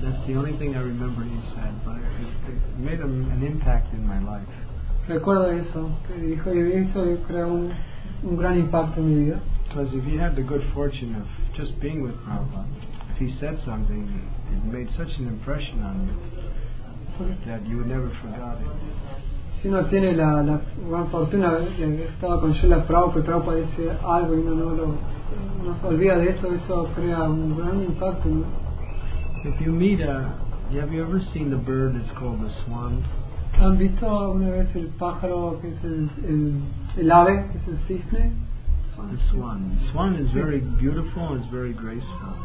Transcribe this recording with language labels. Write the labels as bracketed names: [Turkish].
[English] That's the only thing I remember he said, but it made an impact in my life. [Spanish] Recuerdo eso que dijo y eso creó un gran impacto en mi vida. [English] Because if you had the good fortune of just being with Prabhupada, if he said something, it made such an impression on you that you would never forget it. [Spanish] Si uno tiene la gran fortuna de estar con Srila Prabhupada, y Prabhupada dice algo y uno no se olvida de eso, eso crea un gran impacto. [English] If you meet have you ever seen the bird that's called the swan? [Spanish] ¿Han visto una vez el pájaro que es el ave, que es el cisne? [English] Swan. Swan is very beautiful and is very graceful.